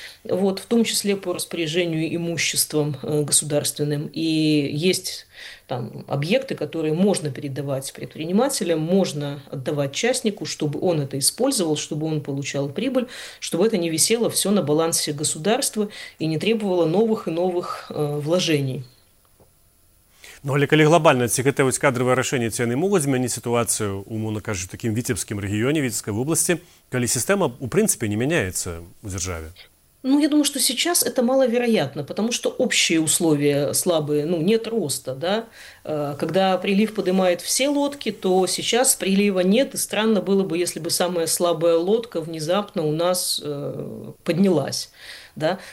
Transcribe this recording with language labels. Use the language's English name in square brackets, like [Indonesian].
[Russian] вот, в том числе по распоряжению имуществом государственным, и есть там объекты, которые можно передавать предпринимателям, можно отдавать частнику, чтобы он это использовал, чтобы он получал прибыль, чтобы это не висело все на балансе государства и не требовало новых и новых вложений. [Belarusian] Ну, але калі глобальна, ці гэта вось кадравае рашэнне, ці яны могуць змяніць сітуацыю, умоўна кажучы, у такім віцебскім рэгіёне, віцебскай вобласці, калі сістэма, у прынцыпе, не мяняецца ў дзяржаве? [Russian] Ну, я думаю, что сейчас это маловероятно, потому что общие условия слабые, ну, нет роста, да. Когда прилив поднимает все лодки, то сейчас прилива нет, и странно было бы, если бы самая слабая лодка внезапно у нас поднялась. Да?